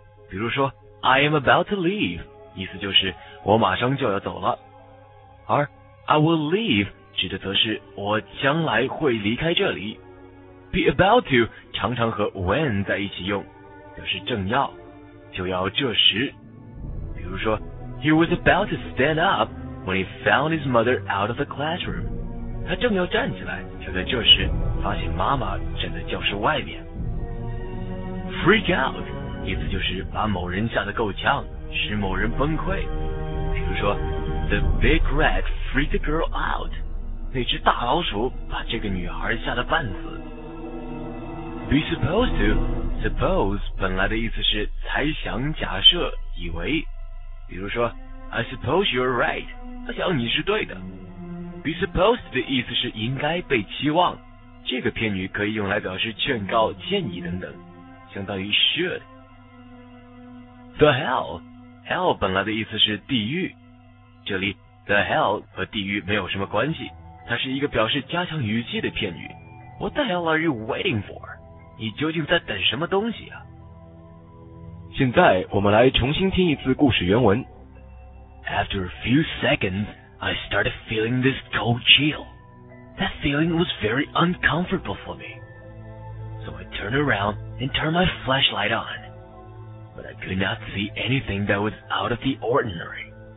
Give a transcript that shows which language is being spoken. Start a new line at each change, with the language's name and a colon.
Chinese: 比如说
English: I am about to leave，
Chinese: 意思就是我马上就要走了。而
English: I will leave
Chinese: 指的则是我将来会离开这里。 Be about to 常常和 when 在一起用，表示正要，就要这时。比如说
English: He was about to stand up when he found his mother out of the classroom.
Chinese: 他正要站起来，就在这时发现妈妈站在教室外面。 Freak out 意思就是把某人吓得够呛，使某人崩溃。比如说
English: The big rat freaked the girl out，
Chinese: 那只大老鼠把这个女孩吓得半死。 Be supposed toSuppose 本来的意思是猜想、假设、以为。比如说
English: I suppose you're right，
Chinese: 我想你是对的。 Be supposed 的意思是应该、被期望，这个片语可以用来表示劝告、建议等等，相当于 should。 The hell 本来的意思是地狱，这里 the hell 和地狱没有什么关系，它是一个表示加强语气的片语。
English: What the hell are you waiting for？
Chinese: 你究竟在等什么东西啊？现在我们来重新听一次故事原文。
English: After a few seconds, I started feeling this cold chill. That feeling was very uncomfortable for me. So I turned around and turned my flashlight on. But I could not see anything that was out of the ordinary.